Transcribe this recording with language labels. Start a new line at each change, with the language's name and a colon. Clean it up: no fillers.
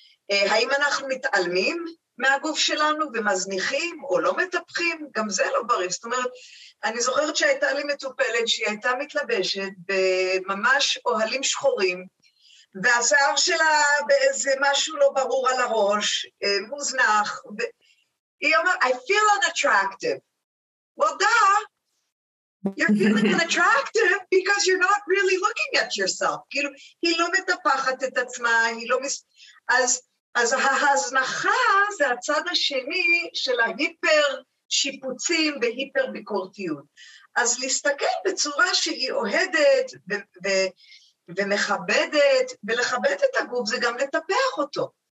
Hebrew: האם אנחנו מתעלמים מהגוף שלנו ומזניחים או לא מטפחים? גם זה לא בריא. זאת אומרת, אני זוכרת שהייתה לי מטופלת שהיא הייתה מתלבשת בממש אוהלים שחורים, והשיער שלה באיזה משהו לא ברור על הראש, מוזנח, והיא אומרת,
English: I feel unattractive. Well, duh, you're feeling unattractive because you're not really looking at yourself.
Hebrew: כאילו, היא לא מטפחת את עצמה, היא לא אז ההזנחה זה הצד השני של ההיפר שיפוצים והיפר ביקורתיות. אז להסתכל בצורה שהיא אוהדת ומכבדת, ולכבד את הגוף זה גם לטפח אותו.